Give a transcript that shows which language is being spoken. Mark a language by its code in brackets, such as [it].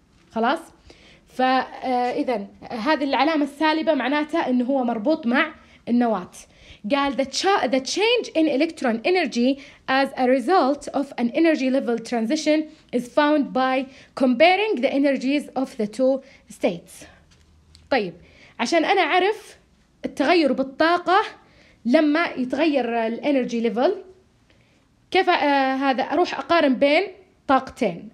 [ar] خلاص؟ فإذا هذه العلامة السالبة معناته إنه هو مربوط مع النواة. قال [en] the change in electron energy as a result of an energy level transition is found by comparing the energies of the two states. [ar] طيب عشان أنا أعرف التغير بالطاقة لما يتغير الانرجي ليفل كيف هذا أروح أقارن بين طاقتين.